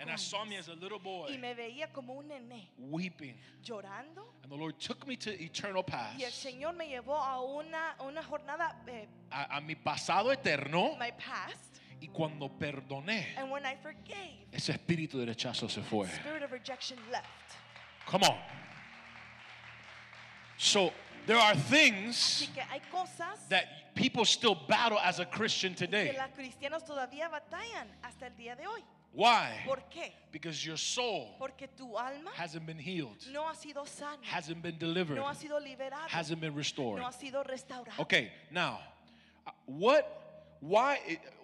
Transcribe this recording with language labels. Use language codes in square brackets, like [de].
[en] and I saw me as a little boy, [es] y me veía como un nene, [en] weeping, [es] llorando, [en] and the Lord took me to eternal past, [es] y el Señor me llevó a una jornada, a mi pasado eterno, [en] my past, [es] y cuando perdoné, [en] and when I forgave, [es] ese espíritu de rechazo se fue, [en] the spirit of rejection left. Come on. So there are things that people still battle as a Christian today. [es] Que las cristianas todavía batallan hasta el día de hoy. [en] Why? [es] ¿Por qué? [en] Because your soul, [es] porque tu alma, [en] hasn't been healed. [es] No ha sido sano. [en] Hasn't been delivered. [es] No ha sido liberado. [en] Hasn't been restored. [es] No ha sido restaurado. [en] Okay, now, what? Why?